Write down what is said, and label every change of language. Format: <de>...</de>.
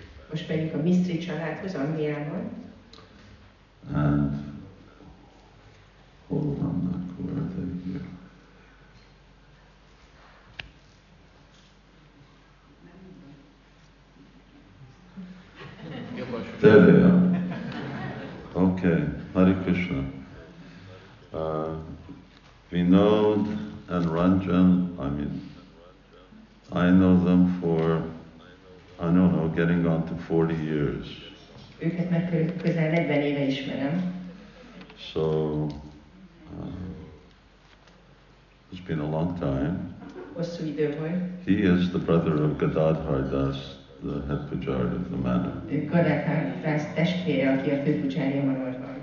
<hu>Most pedig a mystery családhoz, Angliában.</hu> <en>And hold on, that where are they here? There they are. Okay, Hare Krishna. Vinod and Ranjan, I mean, I know them for, I don't know, getting on to 40 years.</en> <hu>Őket már közel 40 éve ismerem.</hu> <en>So, it's been a long time.</en> <hu>Hosszú idő volt.</hu> <en>He is the brother of Gadadhar Das, the head pujari of the manor.</en> <hu>Ő Gadadhar Das testvére, aki a főpujári a manorban.</hu>